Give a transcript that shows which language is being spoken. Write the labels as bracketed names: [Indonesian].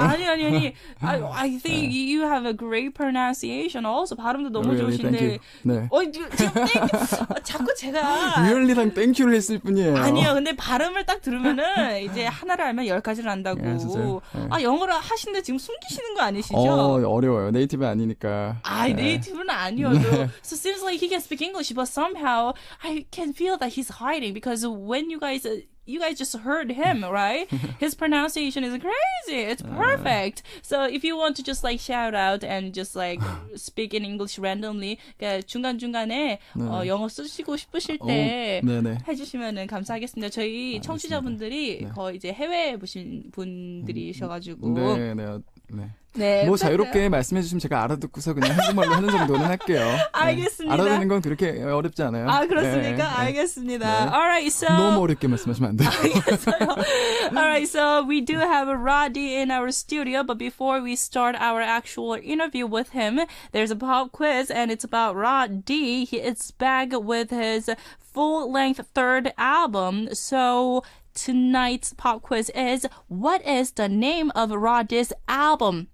[Korean] 아니, 아니, 아니. [English] I think yeah. you have a great pronunciation. Also, [Korean] 발음도 너무 [English] really, [Korean] 좋으신데. [English] Thank you. [Korean] 네. 어, 지금 자꾸 제가. Really랑 thank you를 했을 뿐이에요. 아니요, 근데 발음을 딱 들으면은 이제 하나를 알면 열 가지를 안다고. Yeah, 진짜요? 네. 아, 영어를 하신데 지금 숨기시는 거 아니시죠? 어려워요. 네이티브 아니니까. 아, 네. 네이티브는 아니어도. [English] 네. So, seems like he can speak English, but somehow I can feel that he's hiding because when you guys just heard him, right? His pronunciation is crazy. It's perfect. So if you want to just like shout out and just like speak in English randomly, [Korean] 중간 중간에 네. 영어 쓰시고 싶으실 때 해주시면은 감사하겠습니다. 저희 알겠습니다. 청취자분들이 네. 거의 이제 해외 보신 분들이셔가지고 네. 네. 뭐 맞아요. 자유롭게 말씀해 주시면 제가 알아듣고서 그냥 한국말로 하는 정도는 할게요. 알겠습니다. 네. 알아듣는 건 그렇게 어렵지 않아요. 아, 그렇습니까? 네. 알겠습니다. 네. [English] Alright, so [Korean] 너무 어렵게 말씀하시면 안 돼요. 알겠어요. [English] Alright, so we do have Ra.D in our studio, but before we start our actual interview with him, there's a pop quiz and it's about Ra.D. He is back with his full-length third album. So tonight's pop quiz is, what is the name of Ra.D's album?